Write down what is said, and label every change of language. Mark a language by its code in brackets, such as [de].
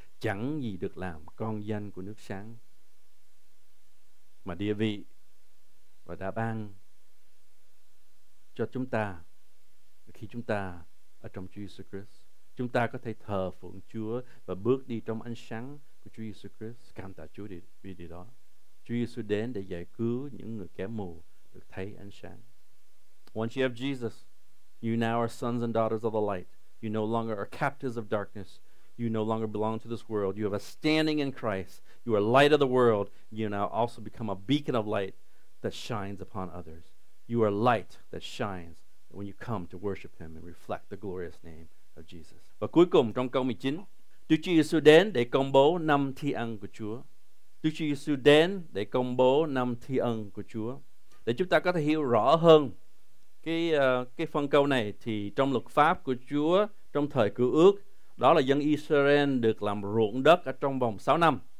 [vi] Chẳng gì được làm con dân của nước sáng. Mà địa vị và đã ban cho chúng ta khi chúng ta ở trong Chúa Jesus Christ, chúng ta có thể thờ phượng Chúa và bước đi trong ánh sáng của Chúa Jesus Christ. Cảm tạ Chúa vì điều đó. Chúa Jesus đến để giải cứu những người kẻ mù được thấy ánh sáng. [en] Once you have Jesus, you now are sons and daughters of the light. You no longer are captives of darkness. You no longer belong to this world. You have a standing in Christ. You are light of the world. You now also become a beacon of light that shines upon others. You are light that shines when you come to worship Him and reflect the glorious name of Jesus. [vi] Và cuối cùng trong câu 19, Đức Chúa Giêsu đến để công bố năm thi ân của Chúa. Đức Chúa Giêsu đến để công bố năm thi ân của Chúa. Để chúng ta có thể hiểu rõ hơn cái phần câu này thì trong luật pháp của Chúa trong thời cựu ước, đó là dân Israel được làm ruộng đất ở trong vòng 6 năm.